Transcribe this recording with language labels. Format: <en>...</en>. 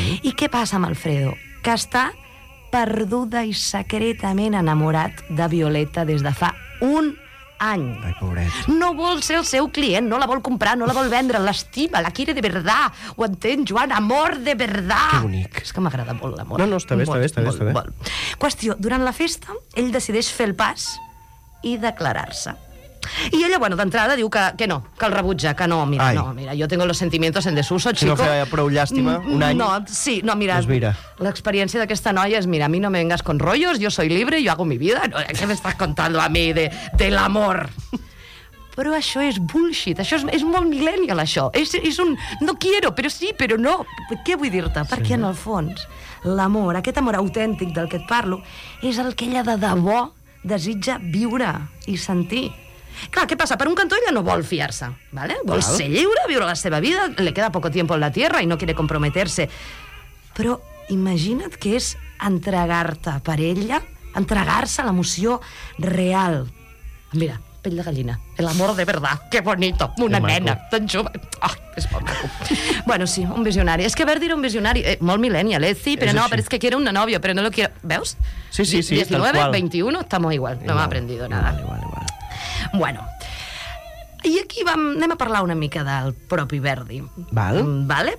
<ca>I què passa amb Alfredo? Que està perduda i secretament enamorat de Violeta des de fa un any. Ai, pobret. No vol ser el seu client, no la vol comprar, no la vol vendre, l'estima,</ca> <es>la quiere de verdad.</es> <ca>Ho entén, Joan?</ca> <es>Amor de verdad.</es> <ca>Que bonic. És que m'agrada molt l'amor. No, està bé. Qüestió, durant la festa, ell decideix fer el pas i declarar-se. I ella, bueno, d'entrada diu que no, que el rebutja, que no, mira, jo</ca> <es>tengo los sentimientos en desuso, chico.</es> <ca>Si no feia prou llàstima, un any. No, mira. L'experiència d'aquesta noia és, mira,</ca> <es>a mi no me vengas con rollos, yo soy libre, yo hago mi vida, no, ¿qué me estás contando a mí</es> <ca>de l'amor? Però això és bullshit, això és molt millennial, això. És un</ca> <es>no quiero, pero sí, pero no.</es> <ca>Què vull dir-te? Sí. Perquè en el fons, l'amor, aquest amor autèntic del que et parlo, és el que ella de debò desitja viure i sentir. Clar, què passa? Per un cantó ella no vol fiar-se, ¿vale? Vol ser lliure, viure la seva vida,</ca> <es>le queda poco tiempo en la tierra y no quiere comprometerse.</es> <ca>Però imagina't que és entregar-te per ella, entregar-se a l'emoció real.</ca> <es>Mira,</es> <ca>pell de gallina,</ca> <es>el amor de verdad, qué bonito, una nena</es> <ca>tan jove. Oh, és molt maco. Bueno, sí, un visionari. És que Verdi era un visionari, molt millennial, ¿eh? Sí, però no, però és que</ca> <es>quiero una novia,</es> <ca>però</ca> <es>no lo quiero...</es> <ca>Veus? Sí,</ca> <es>19, 21, estamos igual, no m'ha aprendido nada.</es> <ca>Igual. Bueno, i aquí anem a parlar una mica del propi Verdi. Vale?</ca>